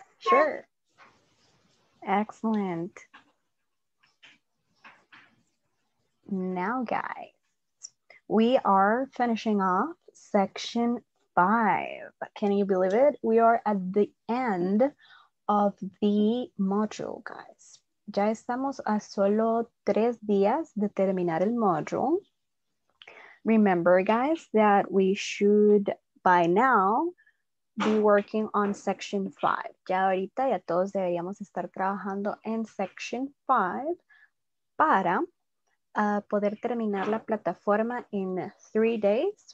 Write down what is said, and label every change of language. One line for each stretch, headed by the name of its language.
English: Sure. Excellent. Now, guys, we are finishing off section 5. Can you believe it? We are at the end of the module, guys.
Spanish: Ya estamos a solo 3 días de terminar el module.
English: Remember, guys, that we should by now be working on section 5.
Spanish: Ya ahorita ya todos deberíamos estar trabajando en section 5 para poder terminar la plataforma
English: in 3 days.